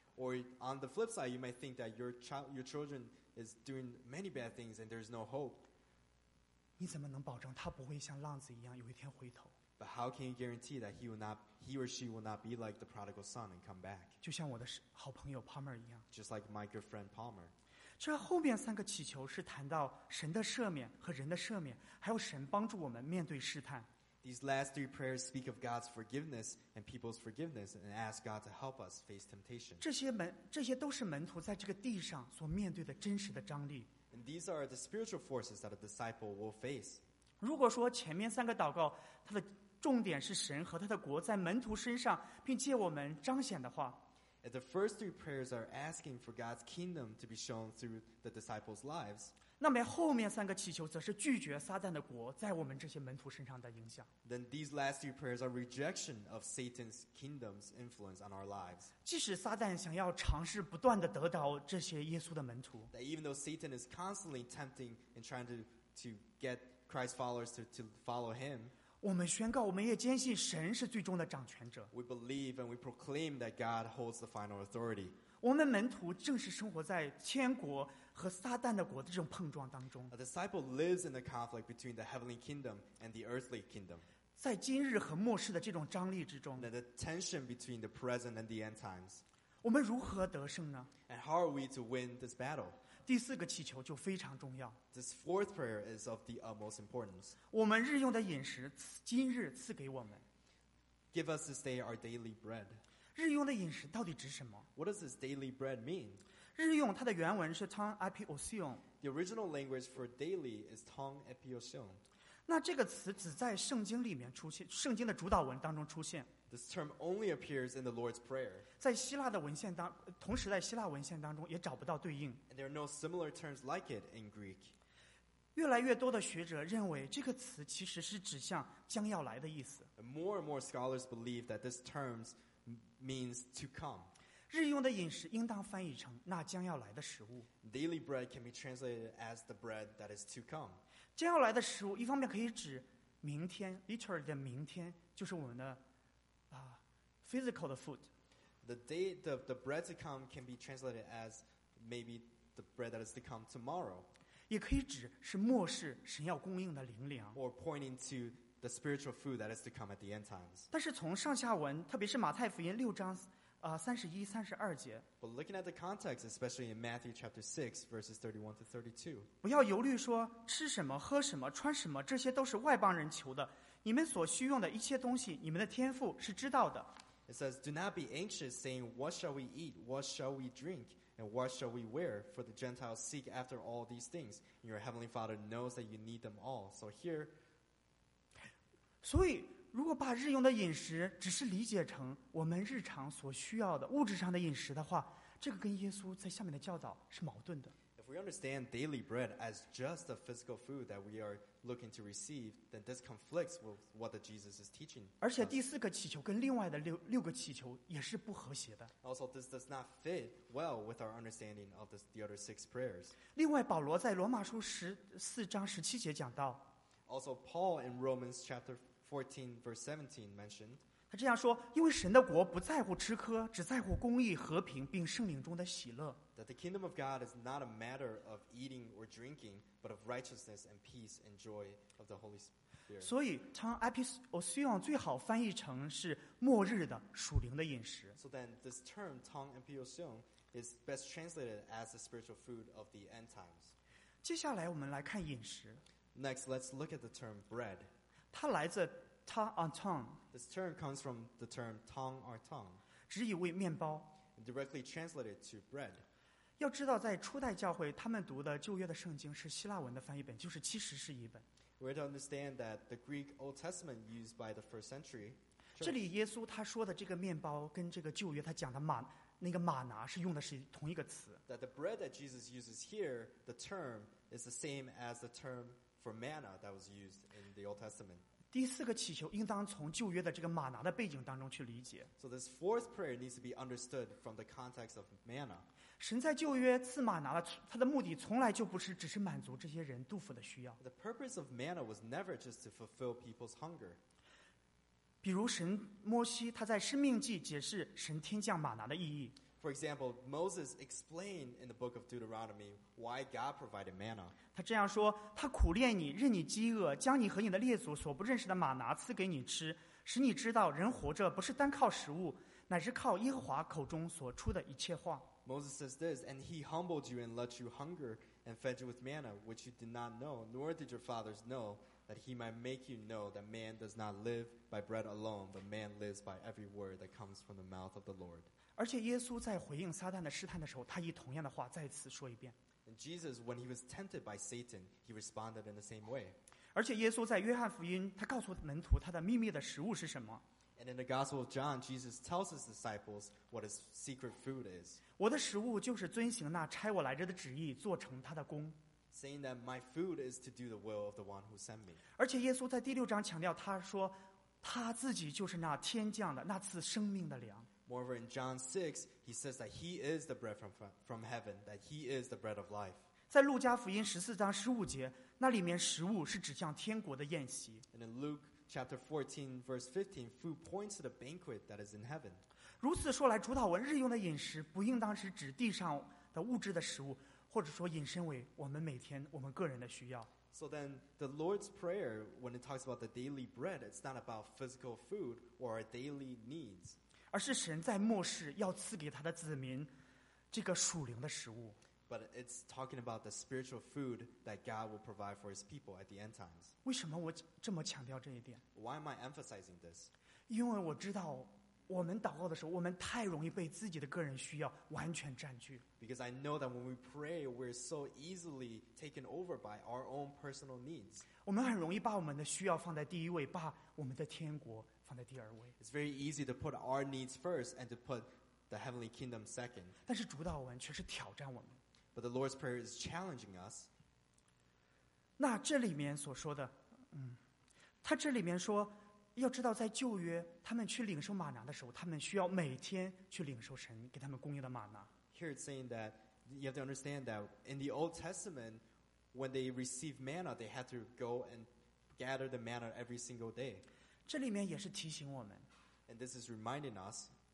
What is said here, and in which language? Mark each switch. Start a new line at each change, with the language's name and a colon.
English: Or on the flip side, you might think that your children is doing many bad things and there is no hope.
Chinese: 你怎么能保证他不会像浪子一样有一天回头？
English: But how can you guarantee that he or she will not be like the prodigal son and come back?
Chinese: 就像我的好朋友 Palmer 一样。
English: Just like my good friend Palmer.
Chinese: 这后面三个祈求是谈到神的赦免和人的赦免，还有神帮助我们面对试探。
English: These last three prayers speak of God's forgiveness and people's forgiveness and ask God to help us face temptation.
Chinese: 这些都是门徒在这个地上所面对的真实的张力。
English: And these are the spiritual forces that a disciple will face.
Chinese: 如果说前面三个祷告，它的重点是神和他的国在门徒身上，并借我们彰显的话。
English: If the first three prayers are asking for God's kingdom to be shown through the disciples' lives,
Chinese: 那么后面三个祈求则是拒绝撒旦的国在我们这些门徒身上的影响。
English: Then these last three prayers are rejection of Satan's kingdom's influence on our lives.
Chinese: 即使撒旦想要尝试不断地得到这些耶稣的门徒，
English: that even though Satan is constantly tempting and trying to get Christ's followers to follow him,
Chinese: 我们宣告，我们也坚信神是最终的掌权者。
English: We believe and we proclaim that God holds the final authority.
Chinese: 我们门徒正是生活在天国和撒旦的国的这种碰撞当中。
English: A disciple lives in the conflict between the heavenly kingdom and the earthly kingdom.
Chinese: 在今日和末世的这种张力之中。
English: The tension between the present and the end times.
Chinese: 我们如何得胜呢？
English: And how are we to win this battle?
Chinese: 第四个祈求就非常重要。
English: This fourth prayer is of the utmost importance.
Chinese: 我们日用的饮食，今日赐给我们。
English: Give us this day our daily bread.
Chinese: 日用的饮食到底指什么？
English: What does this daily bread mean?
Chinese: 日用它的原文是 tong epiosion.
English: The original language for daily is tong epiosion.
Chinese: 那这个词只在圣经里面出现，圣经的主导文当中出现。
English: This term only appears in the Lord's Prayer.
Chinese: 在希腊的文献当，同时在希腊文献当中也找不到对应。
English: And there are no similar terms like it in Greek.
Chinese: 越来越多的学者认为这个词其实是指向将要来的意思。
English: And more and more scholars believe that this term means to come.
Chinese: 日用的饮食应当翻译成那将要来的食物。
English: Daily bread can be translated as the bread that is to come.
Chinese: 将要来的食物一方面可以指明天 ，literally 的明天就是我们的。
English: Physical the food. The day the bread to come can be translated as maybe the bread that is to come tomorrow.
Chinese: 也可以指是末世神要供应的灵粮。
English: Or pointing to the spiritual food that is to come at the end times.
Chinese: 但是从上下文，特别是马太福音六章三十一、三十二节。
English: But looking at the context, especially in Matthew chapter 6, verses 31 to 32.
Chinese: 不要忧虑说吃什么、喝什么、穿什么，这些都是外邦人求的。你们所需用的一切东西，你们的天父是知道的。
English: It says, do not be anxious, saying, what shall we eat, what shall we drink, and what shall we wear? For the Gentiles seek after all these things, and your heavenly Father knows that you need them all. So here,
Chinese: 所以如果把日用的饮食只是理解成我们日常所需要的物质上的饮食的话，这个跟耶稣在下面的教导是矛盾的。
English: If we understand daily bread as just the physical food that we are looking to receive, then this conflicts with what the Jesus is teaching.
Chinese: 而且第四个祈求跟另外的六个祈求也是不和谐的。
English: Also, this does not fit well with our understanding of the other six prayers.
Chinese: 另外，保罗在罗马书十四章十七节讲到。
English: Also, Paul in Romans chapter 14, verse 17 mentioned.
Chinese: 他这样说，因为神的国不在乎吃喝，只在乎公义、和平，并圣灵中的喜乐。
English: That the kingdom of God is not a matter of eating or drinking, but of righteousness and peace and joy of the Holy Spirit.
Chinese: 所以 Tom Epiosion 最好翻译成是末日的属灵的饮食。
English: So then this term Tom Epiosion is best translated as the spiritual food of the end times.
Chinese: 接下来我们来看饮食。
English: Next, let's look at the term bread.
Chinese: 它来自 Tom or tongue.
English: This term comes from the term tongue or tongue.
Chinese: 直译为面包。
English: Directly translated to bread.
Chinese: 要知道在初代教会他们读的旧约的圣经是希腊文的翻译本就是七十是一本
English: We have to understand that the Greek Old Testament used by the first century、sure.
Chinese: 这里耶稣他说的这个面包跟这个旧约他讲的那个玛拿是用的是同一个词
English: That the bread that Jesus uses here the term is the same as the term for manna that was used in the Old Testament
Chinese: 第四个祈求应当从旧约的这个玛拿的背景当中去理解
English: So this fourth prayer needs to be understood from the context of manna
Chinese: 神在旧约赐玛拿了，他的目的从来就不是只是满足这些人肚腹的需要。
English: The purpose of manna was never just to fulfill people's hunger.
Chinese: 比如神摩西他在《申命记》解释神天降玛拿的意义。
English: For example, Moses explained in the book of Deuteronomy why God provided manna.
Chinese: 他这样说：“他苦练你，任你饥饿，将你和你的列祖所不认识的玛拿赐给你吃，使你知道人活着不是单靠食物，乃是靠耶和华口中所出的一切话。”
English: Moses says this, and he humbled you and let you hunger and fed you with manna, which you did not know, nor did your fathers know, that he might make you know that man does not live by bread alone, but man lives by every word that comes from the mouth of the Lord.
Chinese: 而且耶稣在回应撒旦的试探的时候，他以同样的话再次说一遍。
English: And Jesus, when he was tempted by Satan, he responded in the same way.
Chinese: 而且耶稣在约翰福音，他告诉门徒他的秘密的食物是什么。
English: And in the Gospel of John, Jesus tells his disciples what his secret food is.
Chinese: 我的食物就是遵行那差我来着的旨意，做成他的工。
English: Saying that my food is to do the will of the one who sent me.
Chinese: 而且耶稣在第六章强调，他说他自己就是那天降的那赐生命的粮。
English: Moreover, in John 6, he says that he is the bread from heaven, that he is the bread of life.
Chinese: 在路加福音十四章十五节，那里面食物是指向天国的宴席。
English: And in Luke. Chapter 14, verse 15, food points to the banquet that is in heaven.
Chinese: 如此说来，主导文日用的饮食不应当是指地上的物质的食物，或者说引申为我们每天我们个人的需要。
English: So then, the Lord's Prayer, when it talks about the daily bread, it's not about physical food or our daily needs.
Chinese: 而是神在末世要赐给他的子民这个属灵的食物。
English: But it's talking about the spiritual food that God will provide for his people at the end times.
Chinese: 为什么我这么强调这一点?
English: Why am I emphasizing this?
Chinese: 因为我知道我们祷告的时候，我们太容易被自己的个人需要完全占据。
English: Because I know that when we pray, we're so easily taken over by our own personal needs.
Chinese: 我们很容易把我们的需要放在第一位，把我们的天国放在第二位。
English: It's very easy to put our needs first and to put the heavenly kingdom second.
Chinese: 但是主祷文却是挑战我们。
English: But the Lord's prayer is challenging us.
Chinese: 那这里面所说的，他这里面说。要知道在旧约他们去领受玛拿的时候他们需要每天去领受神给他们供应的玛拿
English: Here it's saying that you have to understand that in the Old Testament when they received manna they had to go and gather the manna every single day
Chinese: 这里面也是提醒我们
English: And this is reminding us